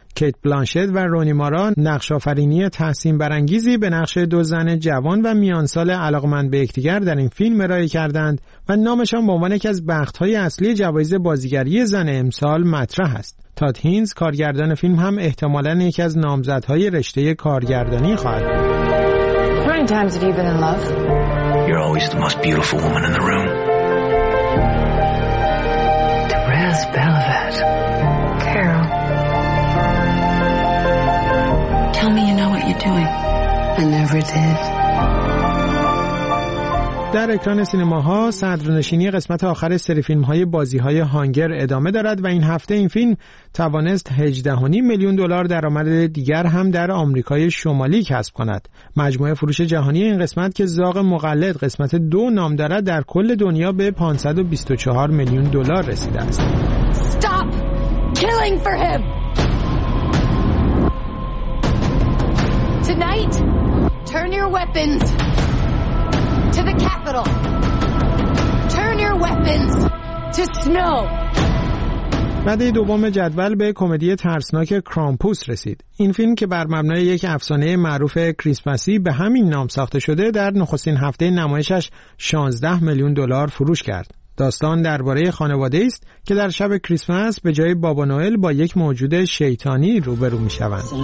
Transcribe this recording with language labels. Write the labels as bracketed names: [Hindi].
[Persian] کیت بلانشت و رونی مارا نقش‌آفرینی تحسین برانگیزی به نقش 2 زن جوان و میانسال علاقمند به یکدیگر در این فیلم ارائه کردند و نامشان به عنوان یکی از بخت‌های اصلی جوایز بازیگری زن امسال مطرح است. تات هینز کارگردان فیلم هم احتمالاً یکی از نامزدهای رشته کارگردانی خواهد بود. [English] Times have you been in love? You're always the most beautiful woman in the room. Therese Belavet. Carol. Tell me you know what you're doing. I never did. [Persian] در اکران سینماها صدرنشینی قسمت آخر سری فیلم‌های بازی‌های هانگر ادامه دارد و این هفته این فیلم توانست 18.5 میلیون دلار درآمد دیگر هم در آمریکای شمالی کسب کند. مجموعه فروش جهانی این قسمت که زاغ مقلد قسمت 2 نام دارد در کل دنیا به 524 میلیون دلار رسیده است. [English] Stop killing for him. Tonight, turn your weapons. To the capital. Turn your weapons to snow. [Persian] بعد دوم جدول به کمدی ترسناک کرامپوس رسید. این فیلم که بر مبنای یک افسانه معروف کریسمسی به همین نام ساخته شده، در نخستین هفته نمایشش 16 میلیون دلار فروش کرد. داستان درباره خانواده است که در شب کریسمس به جای بابا نوئل با یک موجود شیطانی روبرو می شوند.